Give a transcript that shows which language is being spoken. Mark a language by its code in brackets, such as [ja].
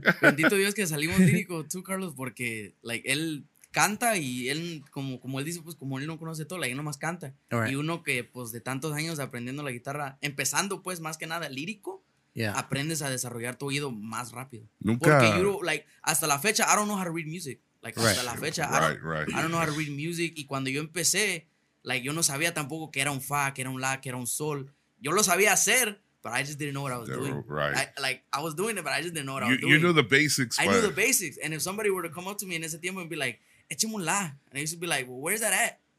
[es] Bendito Dios que salimos lírico tú, Carlos, porque, like, él... canta y él, como él dice, pues, como él no conoce todo, la gente nomás canta. [en] Right. [es] Y uno que, pues, de tantos años aprendiendo la guitarra, empezando, pues, más que nada lírico, [en] yeah, [es] aprendes a desarrollar tu oído más rápido. Nunca. [en] Porque, like, [es] hasta la fecha, [en] I don't know how to read music. Like, right. Hasta la fecha, I don't know how to read music. [es] Y cuando yo empecé, like, yo no sabía tampoco que era un fa, que era un la, que era un sol. Yo lo sabía hacer, [en] but I just didn't know what I was doing. Right. I was doing it, but I just didn't know what you, I was doing. You knew the basics. I knew the basics. And if somebody were to come up to me [es] en ese tiempo [en] and be like, [es] écheme un la. [en] And I used to be like, well, where's that at?